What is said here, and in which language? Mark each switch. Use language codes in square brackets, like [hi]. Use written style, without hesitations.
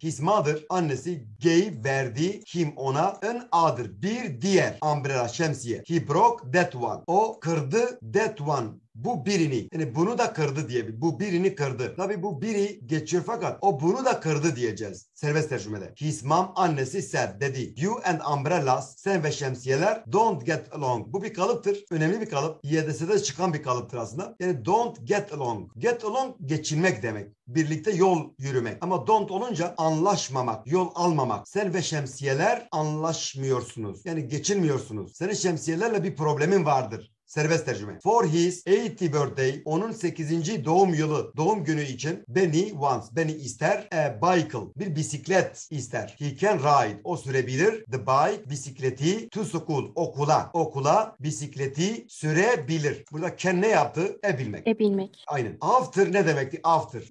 [en] His mother, [tr] annesi [en] gave, [tr] verdi [en] him, [tr] ona [en] an other. [tr] Bir diğer [en] umbrella, [tr] şemsiye. [en] He broke that one. [tr] O kırdı [en] that one [tr] bu birini, yani bunu da kırdı diye, bu birini kırdı. Tabii bu biri geçiyor fakat o bunu da kırdı diyeceğiz serbest tercümede. [en] His mom, [tr] annesi [en] said, [tr] dedi. [en] You and umbrellas, [tr] sen ve şemsiyeler [en] don't get along. [tr] Bu bir kalıptır. Önemli bir kalıp. YDS'de çıkan bir kalıptır aslında. Yani [en] don't get along. [tr] Get along geçinmek demek. Birlikte yol yürümek. Ama don't olunca anlaşmamak, yol almamak. Sen ve şemsiyeler anlaşmıyorsunuz. Yani geçinmiyorsunuz. Senin şemsiyelerle bir problemin vardır. Serbest tercüme. [en] For his 80th birthday, [tr] onun 8. doğum yılı, doğum günü için [en] Benny wants, [tr] Benny ister [en] a bicycle, [tr] bir bisiklet ister. [en] He can ride, [tr] o sürebilir [en] the bike, [tr] bisikleti [en] to school, [tr] okula, okula bisikleti sürebilir. Burada can ne yaptı? Ebilmek. Ebilmek. Aynen. After ne demekti? After.